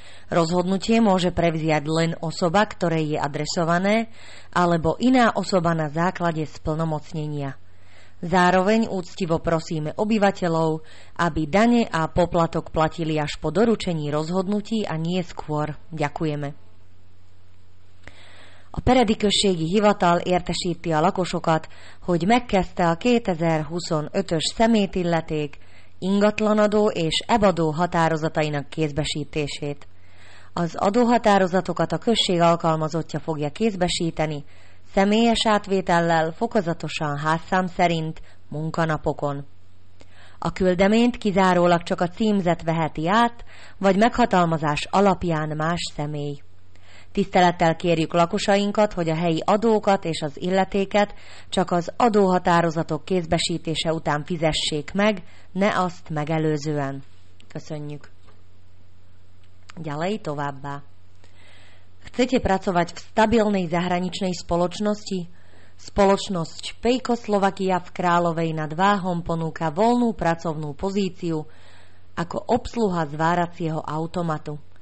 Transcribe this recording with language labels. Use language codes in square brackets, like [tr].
[sk] Rozhodnutie môže prevziať len osoba, ktorej je adresované, alebo iná osoba na základe splnomocnenia. Zároveň úctivo prosíme obyvateľov, aby dane a poplatok platili až po doručení rozhodnutí a nie skôr. Ďakujeme. [hu] A peredikösségi hivatal értesíti a lakosokat, hogy megkezdte a 2025-ös szemétilleték, ingatlanadó és ebadó határozatainak kézbesítését. Az adóhatározatokat a község alkalmazottja fogja kézbesíteni, személyes átvétellel, fokozatosan házszám szerint, munkanapokon. A küldeményt kizárólag csak a címzet veheti át, vagy meghatalmazás alapján más személy. Tisztelettel kérjük lakosainkat, hogy a helyi adókat és az illetéket csak az adóhatározatok kézbesítése után fizessék meg, ne azt megelőzően. Köszönjük. [sk] Ďalej [hu] továbbá. [sk] Chcete pracovať v stabilnej zahraničnej spoločnosti? Spoločnosť Pejko Slovakia v Královej nad Váhom ponúka voľnú pracovnú pozíciu ako obsluha zváracieho automatu.